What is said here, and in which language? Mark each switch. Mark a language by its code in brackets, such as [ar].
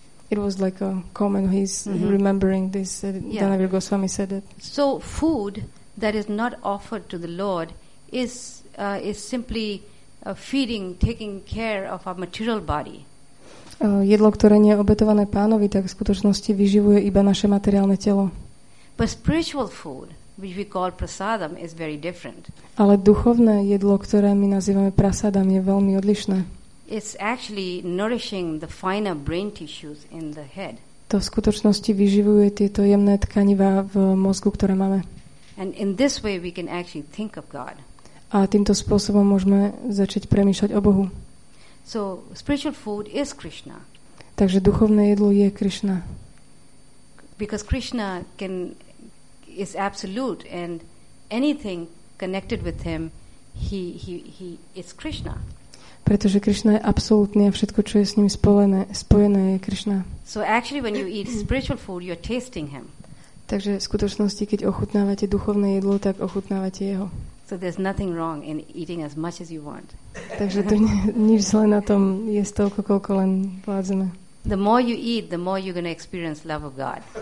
[en] It was like a comment. He's remembering this. Dhanavir Goswami said it. So food that is not offered to the Lord is simply feeding, taking care of our material body. [sk] Jedlo, ktoré nie je obetované Pánovi, tak v skutočnosti vyživuje iba naše materiálne telo. [en] But spiritual food, which we call prasadam, is very different. [sk] Ale duchovné jedlo, ktoré my nazývame prasadam, je veľmi odlišné. [en] It's actually nourishing the finer brain tissues in the head. [sk] To v skutočnosti vyživuje tieto jemné tkanivá v mozgu, ktoré máme. [en] And in this way we can actually think of God. [sk] A týmto spôsobom môžeme začať premýšľať o Bohu. [en] So spiritual food is Krishna. [sk] Takže duchovné jedlo je Krishna. [en] Because Krishna is absolute and anything connected with him, he is Krishna. [sk] Pretože Krišna je absolútny a všetko, čo je s ním spojené, je Krišna. [en] So actually when you eat spiritual food, you're tasting him. [sk] Takže v skutočnosti, keď ochutnávate duchovné jedlo, tak ochutnávate jeho. [en] So there's nothing wrong in eating as much as you want. [sk] Takže to nič zle na tom, jesť toľko, koľko len vládzeme. [en] The more you eat, the more you're going to experience love of God.